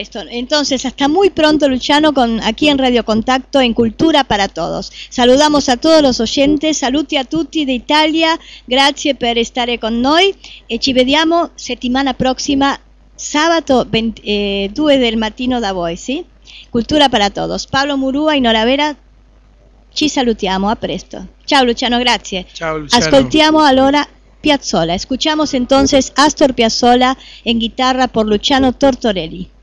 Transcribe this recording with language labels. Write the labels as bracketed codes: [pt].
[es] Entonces, hasta muy pronto, Luciano, aquí en Radio Contacto, en Cultura para Todos. Saludamos a todos los oyentes, [it] saluti a tutti de Italia, grazie per stare con noi, e ci vediamo settimana prossima, sabato 2 del mattino da voi, sì? Cultura para Todos. Pablo Murúa y Nora Vera, ci salutiamo, a presto. Ciao Luciano, grazie. Ciao Luciano. Ascoltiamo allora Piazzolla. [es] Escuchamos entonces Astor Piazzolla en guitarra por Luciano Tortorelli.